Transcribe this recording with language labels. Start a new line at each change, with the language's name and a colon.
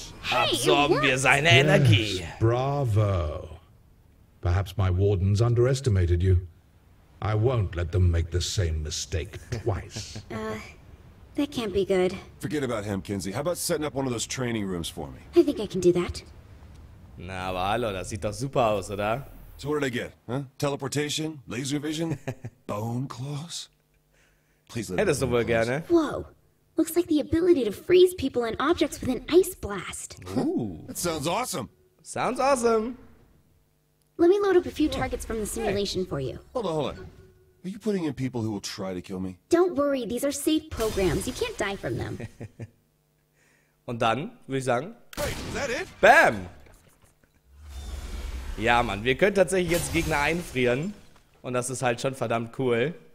German: Absorben wir seine Energie.
English: Yes, bravo. Perhaps my wardens underestimated you. I won't let them make the same mistake twice. That can't be good. Forget about him, Kinsey. How about setting up one of those training rooms for me? I think I can do that.
German: Na, aber hallo, das sieht doch super aus, oder?
English: So what did I get? Huh? Teleportation? Laser vision? Bone claws? Please let me
German: Hättest du wohl gerne.
English: Whoa. Looks like the ability to freeze people and objects with an ice blast. Ooh. That sounds awesome. Sounds awesome. Let me load up a few targets from the simulation for you. Hold on. Are you putting in people who will try to kill me? Don't worry, these are safe programs. You can't die from them.
German: Und dann, würde ich sagen...
English: Wait, is that it? Bam!
German: Ja, Mann, wir können tatsächlich jetzt Gegner einfrieren. Und das ist halt schon verdammt cool.